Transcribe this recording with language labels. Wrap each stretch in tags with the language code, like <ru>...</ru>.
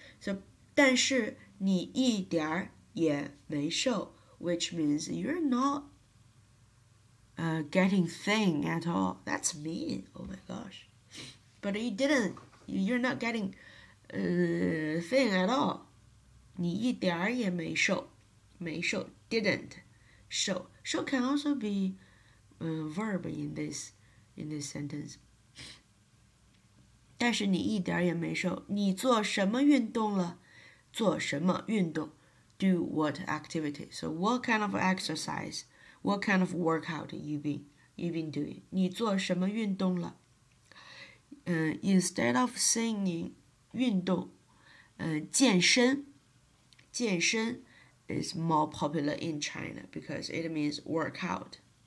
<en>So,</en> <zh>但是你一点儿也没瘦,</zh> <en>which means you're not getting thin at all. That's mean. Oh my gosh. But you didn't, you're not getting thin at all.</en> <zh>你一点儿也没瘦，没瘦 didn't 瘦。</zh> <en>瘦can also be a verb in this sentence.</en> <zh>但是你一点儿也没瘦，你做什么运动了？做什么运动？</zh> <en>Do what activity? So what kind of exercise, what kind of workout you've been doing?</en> <zh>你做什么运动了？</zh> <en>Instead of saying 运动健身 is more popular in China because it means workout.</en>